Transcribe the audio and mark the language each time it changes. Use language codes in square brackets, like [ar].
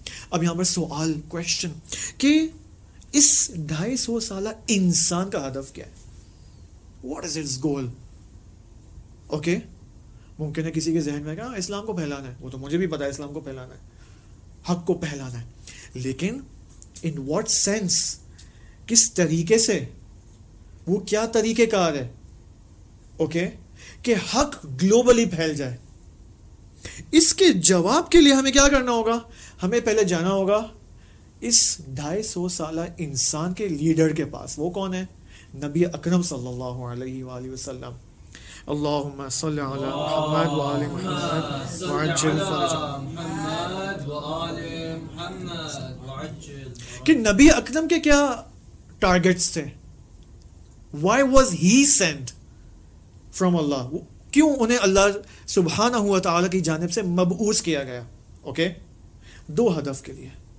[ur] اب یہاں پر سوال، کوشچن، کہ اس 250 سالہ انسان کا ہدف کیا ہے؟ [en] What is its goal? [ur] Okay, ممکن ہے کسی کے ذہن میں کہا اسلام کو پھیلانا ہے، وہ تو مجھے بھی پتا ہے اسلام کو پھیلانا ہے، حق کو پھیلانا ہے، لیکن [en] in what sense, [ur] کس طریقے سے، وہ کیا طریقے کار ہے؟ اوکے، کہ حق گلوبلی پھیل جائے. اس کے جواب کے لیے ہمیں کیا کرنا ہوگا؟ ہمیں پہلے جانا ہوگا اس 250 سالہ انسان کے لیڈر کے پاس. وہ کون ہے؟ نبی اکرم صلی اللہ علیہ وآلہ وسلم. [ar] اللهم صل على محمد وآل محمد وعجل فرج محمد وآل محمد وعجل. [ur] کہ نبی اکرم کے کیا ٹارگٹس تھے؟ [en] Why was he sent from اللہ؟ [ur] کیوں انہیں اللہ سبحانہ و تعالی کی جانب سے مبعوث کیا گیا؟ اوکے، دو ہدف کے لیے.